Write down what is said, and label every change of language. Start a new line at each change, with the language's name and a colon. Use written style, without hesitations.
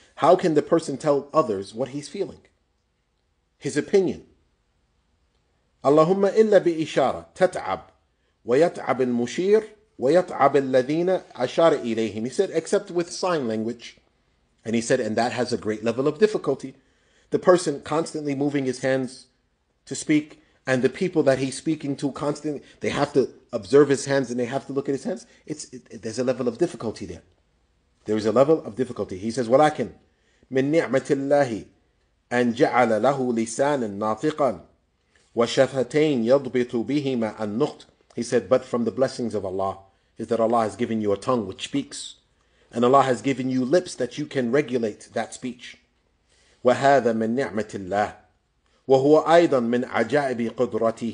English: How can the person tell others what he's feeling? His opinion.
Arabic: اللهم إلا بإشارة تتعب ويتعب المشير ويتعب الذين أشار إليهم.
English: He said, except with sign language. And he said, and that has a great level of difficulty. The person constantly moving his hands to speak, and the people that he's speaking to constantly, they have to observe his hands and they have to look at his hands. There's a level of difficulty there. There is a level of difficulty. He says,
Arabic: ولكن من نعمة الله أن جعل له لسانا ناطقا وشفتين يضبط بهما النقط.
English: He said, but from the blessings of Allah is that Allah has given you a tongue which speaks, and Allah has given you lips that you can regulate that speech.
Arabic: وهذا من نعمة الله وهو أيضا من عجائب قدرته.